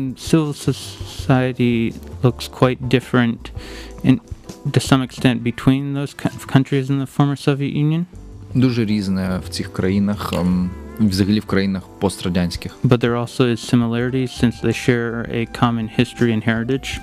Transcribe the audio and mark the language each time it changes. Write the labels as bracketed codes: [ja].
[en] Civil society looks quite different in, to some extent between those countries in the former Soviet Union. [uk] Дуже різне в цих країнах. Взагалі в країнах пострадянських. [en] But there also is similarities since they share a common history and heritage.